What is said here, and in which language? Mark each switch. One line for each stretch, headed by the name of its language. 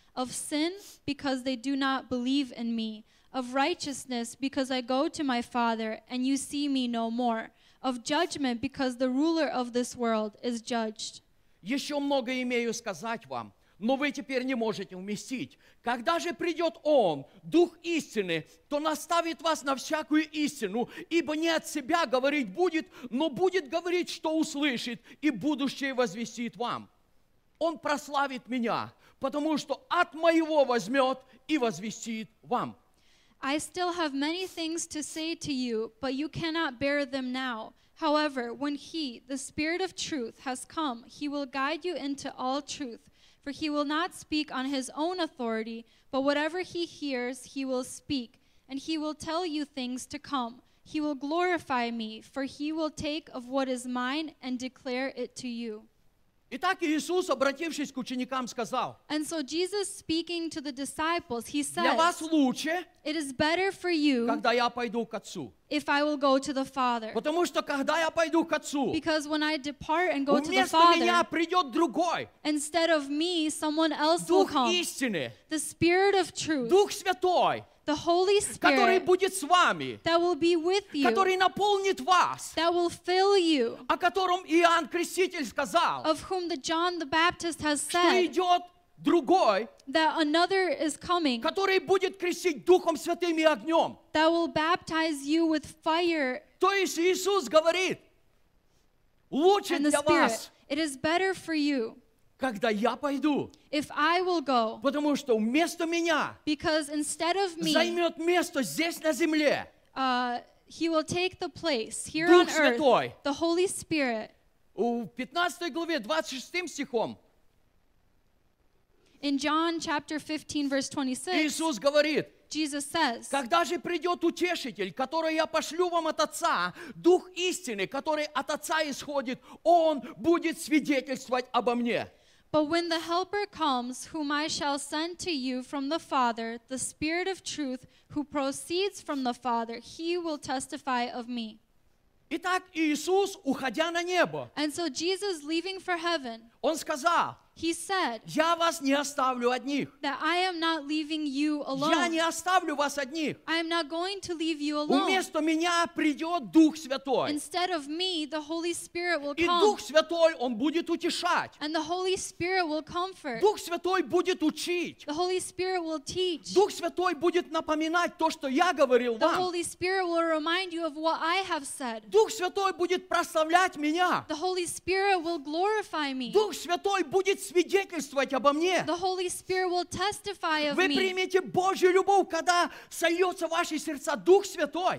English: Of sin, because they do not believe in me. Of righteousness, because I go to my Father, and you see me no more. Of judgment, because the ruler of this world is judged.
Russian: Еще много имею сказать вам, но вы теперь не можете вместить. Когда же придет Он, Дух истины, то наставит вас на всякую истину, ибо не от себя говорить будет, но будет говорить, что услышит, и будущее возвестит вам. Он прославит меня, потому что от моего возьмет и возвестит вам.
English: I still have many things to say to you, but you cannot bear them now. However, when He, the Spirit of truth, has come, He will guide you into all truth. For he will not speak on his own authority, but whatever he hears, he will speak, and he will tell you things to come. He will glorify me, for he will take of what is mine and declare it to you.
Russian: Итак, Иисус, обратившись к ученикам, сказал,
English: and so Jesus, speaking to the disciples, he says,
Russian: для вас лучше,
English: it is better for you,
Russian: когда я пойду к Отцу.
English: If I will go to the Father.
Russian: Потому что, когда я пойду к Отцу,
English: because when I depart and go
Russian: вместо
English: to the Father,
Russian: меня придет другой,
English: instead of me, someone else
Russian: Дух
English: will come.
Russian: Истины,
English: the Spirit of truth.
Russian: Дух Святой,
English: the Holy Spirit,
Russian: который будет с вами,
English: that will be with you,
Russian: который наполнит вас,
English: that will fill you,
Russian: о котором Иоанн Креститель сказал,
English: of whom the John the Baptist has said,
Russian: что идет другой,
English: that another is coming,
Russian: который будет крестить Духом Святым и огнем,
English: that will baptize you with fire,
Russian: то есть Иисус говорит, лучше
English: and the
Russian: для
English: Spirit,
Russian: вас,
English: it is better for you,
Russian: когда я пойду,
English: if I will go,
Russian: потому что вместо меня,
English: because instead of me,
Russian: займет место здесь на земле,
English: he will take the place here
Russian: Дух
English: on earth,
Russian: Святой,
English: the Holy Spirit.
Russian: В 15 главе, 26 стихом,
English: in John chapter 15, verse 26,
Russian: Иисус говорит,
English: Jesus says,
Russian: когда же придет утешитель, который я пошлю вам от Отца, Дух истины, который от Отца исходит, Он будет свидетельствовать обо мне.
English: But when the Helper comes, whom I shall send to you from the Father, the Spirit of truth, who proceeds from the Father, he will testify of me.
Russian: Итак, Иисус, уходя на небо,
English: and so Jesus, leaving for heaven,
Russian: он сказал,
English: he said,
Russian: я вас не оставлю одних.
English: That I am not leaving you alone.
Russian: Я не оставлю вас одних.
English: I am not going to leave you alone.
Russian: Вместо меня придет Дух Святой.
English: Instead of me, the Holy Spirit will
Russian: и
English: come.
Russian: И Дух Святой, Он будет утешать.
English: And the Holy Spirit will comfort.
Russian: Дух Святой будет учить.
English: The Holy Spirit will teach.
Russian: Дух Святой будет напоминать то, что я говорил
English: the
Russian: вам.
English: The Holy Spirit will remind you of what I have said.
Russian: Дух Святой будет прославлять меня.
English: The Holy Spirit will glorify me.
Russian: Дух Святой будет свидетельствовать обо мне.
English: The Holy Spirit will testify of
Russian: вы примете Божью любовь, когда сольется в ваши сердца Дух Святой.